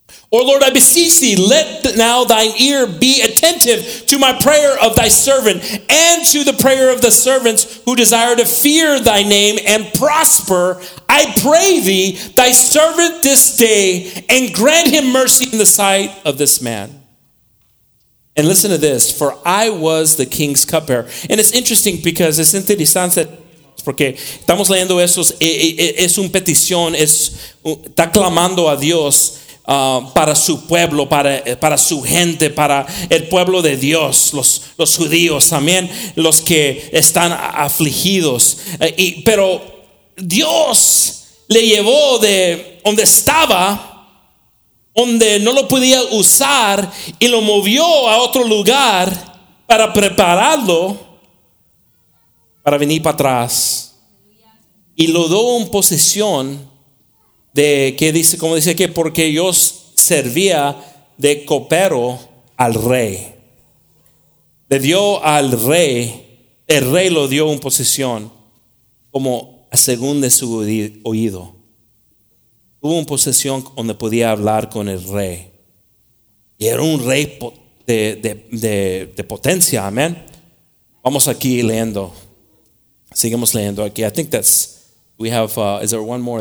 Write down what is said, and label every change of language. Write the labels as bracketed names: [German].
[English] O Lord, I beseech thee, let now thine ear be attentive to my prayer of thy servant and to the prayer of the servants who desire to fear thy name and prosper, I pray thee, thy servant this day, and grant him mercy in the sight of this man. And listen to this, for I was the king's cupbearer. And it's interesting because it's interesante. [Spanish] Porque estamos leyendo eso, es una petición, está clamando a Dios para su pueblo, para su gente, para el pueblo de Dios, los judíos, también los que están afligidos. Pero Dios le llevó de donde estaba, donde no lo podía usar, y lo movió a otro lugar para prepararlo para venir para atrás, y lo dio en posesión de que dice, como dice que porque yo servía de copero al rey, le dio al rey, el rey lo dio en posesión como a según de su oído, tuvo en posesión donde podía hablar con el rey, y era un rey de potencia. Amén. Vamos aquí leyendo. Sigamos leyendo aquí. [English] I think that's, we have, is there one more?